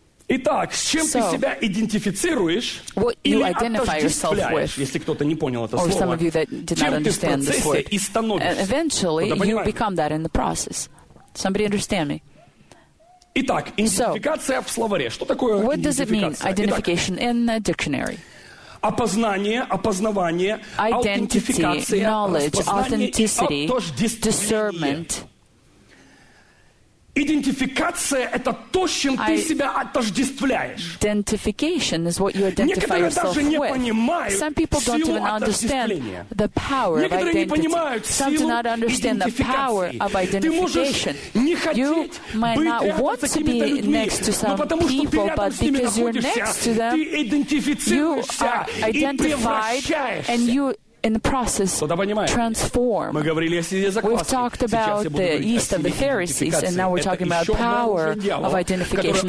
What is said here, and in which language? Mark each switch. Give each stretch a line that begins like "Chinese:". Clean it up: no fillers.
Russian: Итак, с чем ты себя идентифицируешь или отождествляешь, если кто-то не понял это слово, чем ты в процессе и становишься?
English: Eventually, you become that in the process. Somebody understand me.
Russian: Итак, идентификация в словаре. Что такое
English: What does it mean, identification, in the dictionary?
Russian: Опознание, опознавание, аутентификация,
English: knowledge, authenticity, discernment.
Russian: Идентификация – это то, с чем ты себя отождествляешь.
English: Identification is what you identify yourself with.
Russian: Некоторые даже не понимают
English: Some people don't
Russian: силу
English: even understand the power of identity.
Russian: Некоторые не понимают
English: Some do not understand the power of identification. You might not want to be next to some people, but because you're next to them, you are identified and you in the process transform. We've talked about the yeast of the Pharisees, and now we're talking about power of identification.